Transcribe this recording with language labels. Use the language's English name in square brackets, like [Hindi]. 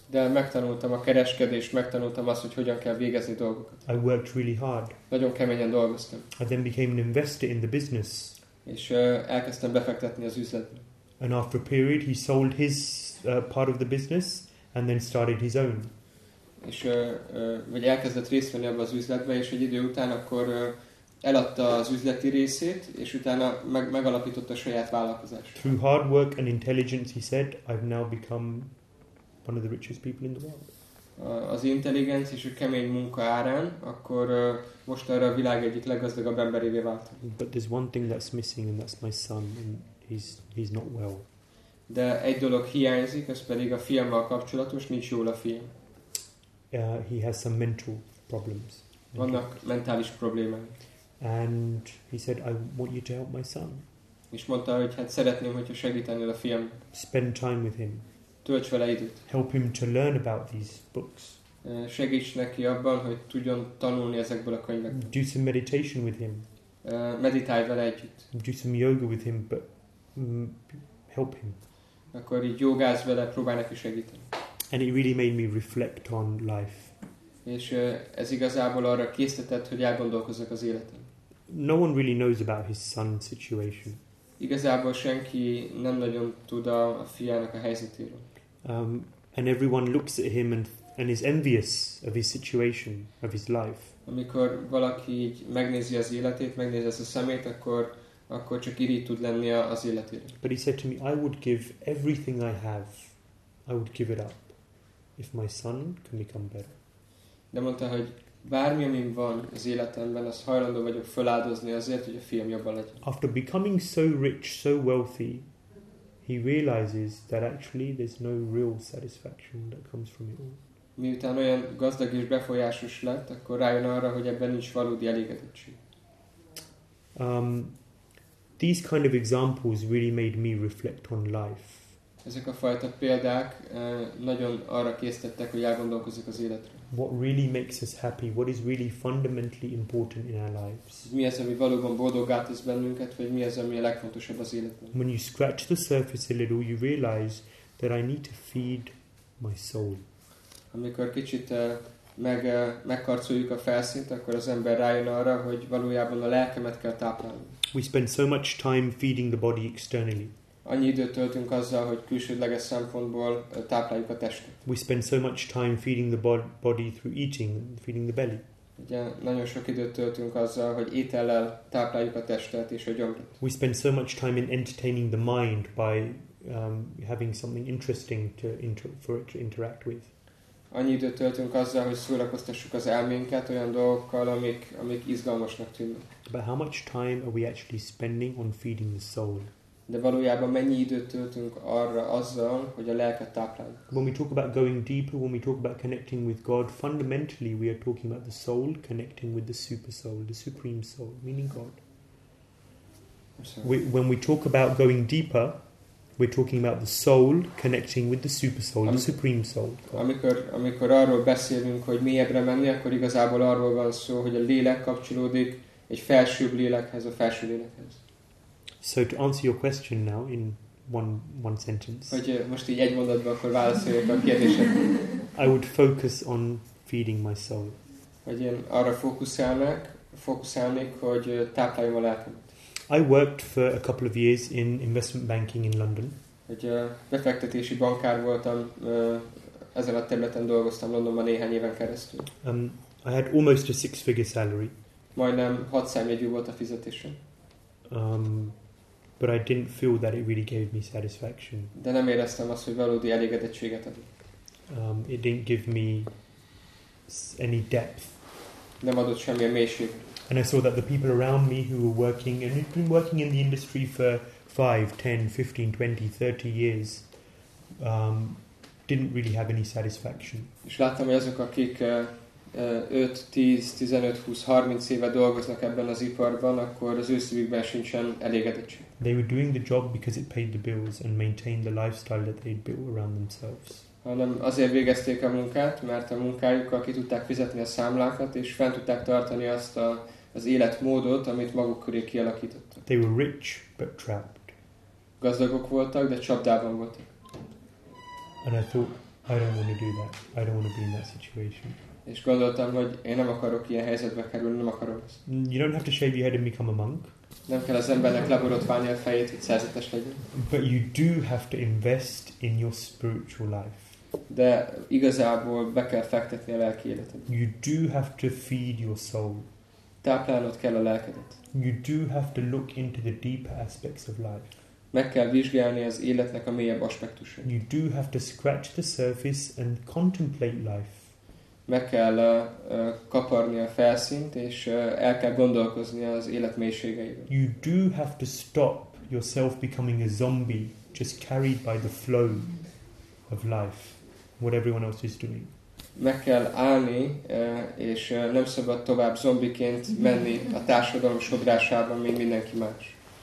[Hungarian] De megtanultam a kereskedést, megtanultam azt, hogy hogyan kell végezni dolgokat. [English] I worked really hard. [Hungarian] Nagyon keményen dolgoztam. [English] I then became an investor in the business. [Hungarian] És elkezdtem befektetni az üzletbe. [English] And after a period he sold his part of the business and then started his own. [Hungarian] És vagy elkezdett részt venni abban az üzletben, és egy idő után akkor eladta az üzleti részét, és utána megalapította a saját vállalkozást. [English] Through hard work and intelligence, he said, I've now become one of the richest people in the world. [Hungarian] Az intelligence és a kemény munka árán, akkor most arra a világ egyik leggazdagabb emberévé vált. [English] But there's one thing that's missing, and that's my son, and he's not well. [Hungarian] De egy dolog hiányzik, ez pedig a fiammal kapcsolatos, nincs jól a fiam. [English] He has some mental problems. [Hungarian] Vannak mentális problémák. [English] And he said, I want you to help my son. [Hungarian] És mondta, hogy hát szeretném, hogyha segítenél a fiam. [English] Spend time with him. [Hungarian] Tölts vele időt. [English] Help him to learn about these books. [Hungarian] Segíts neki abban, hogy tudjon tanulni ezekből a könyvekből. [English] Do some meditation with him. [Hungarian] Meditálj vele együtt. [English] Do some yoga with him, but help him. [Hungarian] Akkor így jogázz vele, próbálj neki segíteni. [English] And it really made me reflect on life. [Hungarian] És ez igazából arra késztetett, hogy elgondolkozzak az életen. [English] No one really knows about his son's situation. [Hungarian] Igazából senki nem nagyon tud a fiának a helyzetéről. [English] And everyone looks at him and and is envious of his situation, of his life. [Hungarian] Amikor valaki így megnézi az életét, megnézi ezt a szemét, akkor csak irigy tud lenni az életére. [English] But he said to me, I would give everything I have, I would give it up, if my son can become better. [Hungarian] De mondta, hogy bármi, amin van az életemben, azt hajlandó vagyok feláldozni azért, hogy a fiam jobban legyen. [English] After becoming so rich, so wealthy, he realizes that actually there's no real satisfaction that comes from it all. [Hungarian] Miután olyan gazdag és befolyásos lett, akkor rájön arra, hogy ebben nincs valódi elégedettség. [English] These kind of examples really made me reflect on life. [Hungarian] Ezek a fajta példák nagyon arra késztettek, hogy elgondolkozzak az életre. [English] What really makes us happy? What is really fundamentally important in our lives? [Hungarian] Mi az, ami valóban boldoggá tesz bennünket, vagy mi az, ami a legfontosabb az életben? [English] When you scratch the surface a little, you realize that I need to feed my soul. [Hungarian] Amikor kicsit megkarcoljuk a felszínt, akkor az ember rájön arra, hogy valójában a lelkemet kell táplálni. [English] We spend so much time feeding the body externally. [Hungarian] Annyi időt töltünk azzal, hogy külsődleges szempontból tápláljuk a testet. [English] We spend so much time feeding the body through eating, feeding the belly. [Hungarian] Ugye, nagyon sok időt töltünk azzal, hogy étellel tápláljuk a testet és a gyomrot. [English] We spend so much time in entertaining the mind by having something interesting to for it to interact with. [Hungarian] Annyi időt töltünk azzal, hogy szórakoztassuk az elménket olyan dolgokkal, amik izgalmasnak tűnnek. [English] But how much time are we actually spending on feeding the soul? [Hungarian] De valójában mennyi időt töltünk arra azzal, hogy a lelket tápláljuk? [English] When we talk about going deeper, when we talk about connecting with God, fundamentally we are talking about the soul connecting with the super soul, the supreme soul, meaning God. When we talk about going deeper, we're talking about the soul connecting with the super soul, the supreme soul. [Hungarian] Amikor arról beszélünk, hogy mélyebbre menni, akkor igazából arról van szó, hogy a lélek kapcsolódik egy felsőbb lélekhez, a felső lélekhez. [English] So to answer your question now in one sentence. [Hungarian] Hogy most így egy mondatban akkor válaszoljak a kérdésed. [English] I would focus on feeding my soul. [Hungarian] Hogy én arra fókuszálnék, hogy tápláljam a lelkemet. [English] I worked for a couple of years in investment banking in London. [Hungarian] Egy befektetési bankár voltam, ezen a területen dolgoztam Londonban néhány éven keresztül. [English] I had almost a six-figure salary. [Hungarian] Majdnem 6 számjegyű volt a fizetésem. [English] But I didn't feel that it really gave me satisfaction. [Hungarian] De nem éreztem azt, hogy valódi elégedettséget adott. [English] It didn't give me any depth. [Hungarian] Nem adott semmilyen mélység. [English] And I saw that the people around me who were working, and had been working in the industry for 5, 10, 15, 20, 30 years, didn't really have any satisfaction. [Hungarian] És láttam, hogy azok, akik 5, 10, 15, 20, 30 éve dolgoznak ebben az iparban, akkor az ő szívükben sincsen elégedettség. [English] They were doing the job because it paid the bills and maintained the lifestyle that they'd built around themselves. [Hungarian] Hanem azért végezték a munkát, mert a munkájukkal ki tudták fizetni a számlákat, és fent tudták tartani azt az életmódot, amit maguk köré kialakítottak. [English] They were rich, but trapped. [Hungarian] Gazdagok voltak, de csapdában voltak. [English] And I thought, I don't want to do that. I don't want to be in that situation. [Hungarian] És gondoltam, hogy én nem akarok ilyen helyzetbe kerülni, nem akarok ezt. [English] You don't have to shave your head and become a monk. [Hungarian] Nem kell az embernek leborotválni a fejét, hogy szerzetes legyen. [English] But you do have to invest in your spiritual life. [Hungarian] De igazából be kell fektetni a lelki életed. [English] You do have to feed your soul. [Hungarian] Táplálnod kell a lelkedet. [English] You do have to look into the deeper aspects of life. [Hungarian] Meg kell vizsgálni az életnek a mélyebb aspektusait. [English] You do have to scratch the surface and contemplate life. [Hungarian] Meg kell kaparni a felszínt, és el kell gondolkozni az élet mélységeiben. [English] You do have to stop yourself becoming a zombie, just carried by the flow of life, what everyone else is doing. [Hungarian] Meg kell állni, és nem szabad tovább zombiként menni a társadalom sodrásában, mint mindenki más.